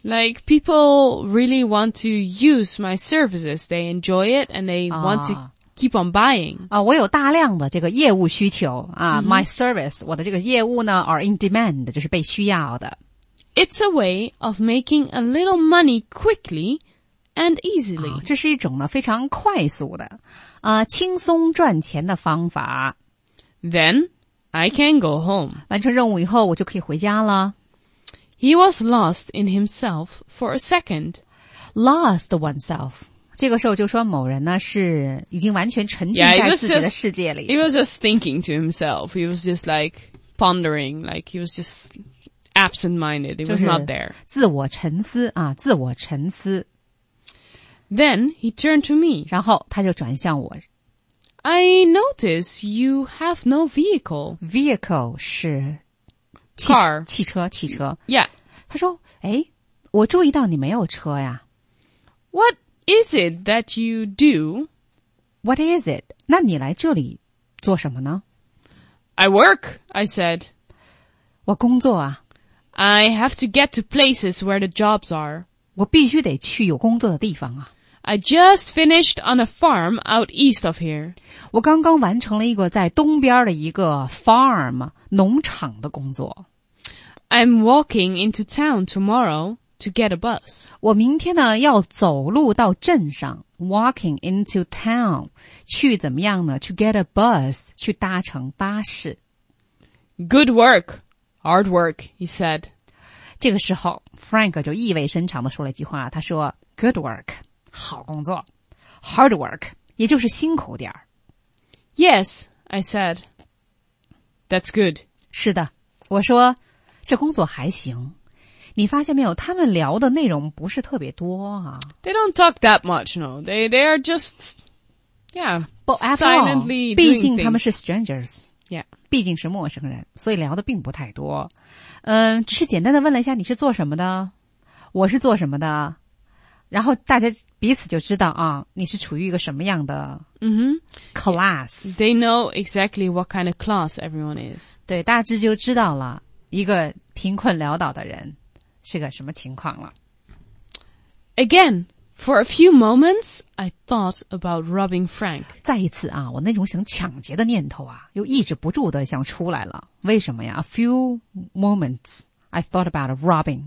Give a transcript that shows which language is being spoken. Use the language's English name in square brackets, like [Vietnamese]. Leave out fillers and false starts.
[English] Like people really want to use my services. They enjoy it and they want to keep on buying. [Chinese] 啊，我有大量的这个业务需求啊。 [English] My service, [Chinese] 我的这个业务呢 [English] are in demand, [Chinese] 就是被需要的。 [English] It's a way of making a little money quickly. And easily. [Chinese] 这是一种呢非常快速的轻松赚钱的方法。 [English] Then, I can go home. [Chinese] 完成任务以后我就可以回家了。 [English] He was lost in himself for a second. Lost oneself. [Chinese] 这个时候就说某人呢是已经完全沉浸在自己的世界里。 [English] He was just thinking to himself. He was just like pondering. Like he was just absent-minded. He was not there. [Chinese] 自我沉思啊自我沉思。 [English] Then he turned to me. [Chinese] 然后他就转向我。 [English] I notice you have no vehicle. Vehicle 是 car. [Chinese] 汽车。 [English] Yeah. [Chinese] 他说，诶，我注意到你没有车呀。 [English] What is it that you do? What is it? [Chinese] 那你来这里做什么呢? [English] I work, I said. [Chinese] 我工作啊。 [English] I have to get to places where the jobs are. [Chinese] 我必须得去有工作的地方啊。 [English] I just finished on a farm out east of here. [Chinese] 我刚刚完成了一个在东边的一个 farm, 农场的工作。 [English] I'm walking into town tomorrow to get a bus. [Chinese] 我明天呢要走路到镇上 , [English] walking into town, [Chinese] 去怎么样呢 ? [English] to get a bus, [Chinese] 去搭乘巴士。 [English] Good work, hard work, he said. [Chinese] 这个时候 ,Frank 就意味深长地说了一句话，他说 , [English] good work, [Chinese] 好工作 , [English] hard work, [Chinese] 也就是辛苦点。 [English] Yes, I said. That's good. [Chinese] 是的，我说这工作还行。你发现没有，他们聊的内容不是特别多啊。 [English] They don't talk that much, no. They are just, yeah, but after all, silently doing things. [Chinese] 毕竟他们是 strangers. [English] Yeah. [Chinese] 毕竟是陌生人，所以聊的并不太多。嗯，只是简单的问了一下你是做什么的，我是做什么的，然后大家彼此就知道啊，你是处于一个什么样的 class. [English] Yeah. They know exactly what kind of class everyone is. [Chinese] 对，大致就知道了。一个贫困潦倒的人是个什么情况了。 [English] Again, for a few moments, I thought about robbing Frank. [Chinese] 再一次啊，我那种想抢劫的念头啊，又抑制不住的想出来了。为什么呀？ [English] A few moments, I thought about robbing.